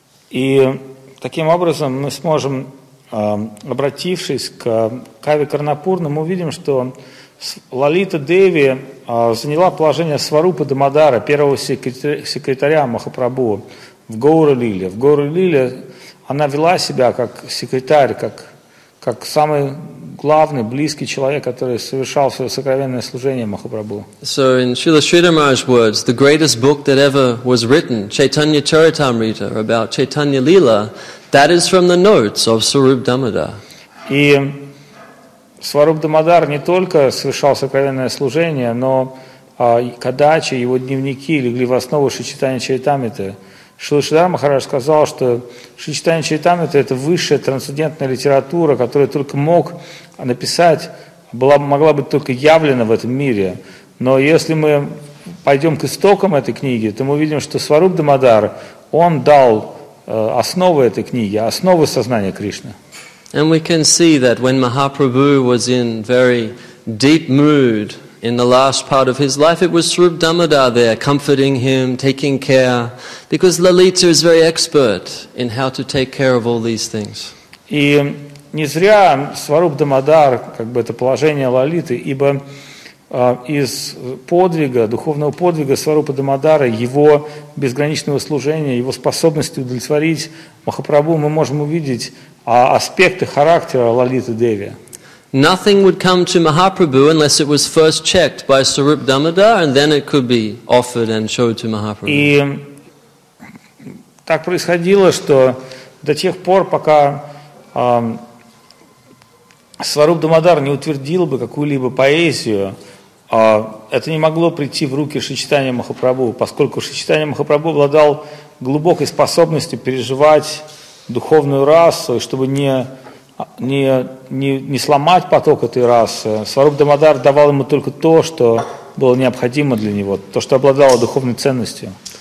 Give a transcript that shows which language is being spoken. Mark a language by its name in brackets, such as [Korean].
[Russian] И таким образом мы сможем, обратившись к Каве Карнапурну, мы увидим, что Лалита Деви заняла положение Сварупы Дамодара, первого секретаря Махапрабху, в Гаура-лиле. В Гаура-лиле она вела себя как секретарь, как самый главный, близкий человек, который совершал свое сокровенное служение Махапрабху. [English] So in Srila Sridhar's words, the greatest book that ever was written, Chaitanya Charitamrita, about Chaitanya Lila, that is from the notes of Swarup Damodar. [Russian] И Сварупа Дамодара не только совершал сокровенное служение, но кадачи, его дневники легли в основу Шри Чайтаньи Чаритамриты. Шрила Шридхар Махарадж сказал, что Шри Чайтанья Чаритамрита – это высшая трансцендентная литература, которая только мог написать, могла быть только явлена в этом мире. Но если мы пойдем к истокам этой книги, то мы увидим, что Сварупа Дамодар, он дал основы этой книги, основы сознания Кришны. [English] And we can see that when Mahaprabhu was in very deep mood in the last part of his life, it was Swarup Damodar there comforting him, taking care, because Lalita is very expert in how to take care of all these things. [Russian] И не зря Сварупа Дамодар, как бы это положение Лалиты, ибо из подвига, духовного подвига Сварупа Дамодара, его безграничного служения, его способности удовлетворить Махапрабху, мы можем увидеть аспекты характера Лалиты Деви. [English] Nothing would come to Mahaprabhu unless it was first checked by Sarup Damodar, and then it could be offered and showed to Mahaprabhu. [Russian] И так происходило, что до тех пор, пока Сваруп Дамодар не утвердил бы какую-либо поэзию, это не могло прийти в руки Шри Чайтанья Махапрабху, поскольку Шри Чайтанья Махапрабху обладал глубокой способностью переживать духовную расу, и чтобы не сломать поток этой расы, Сваруп Дамодар давал ему только то, что было необходимо для него, то, что обладало духовной ценностью.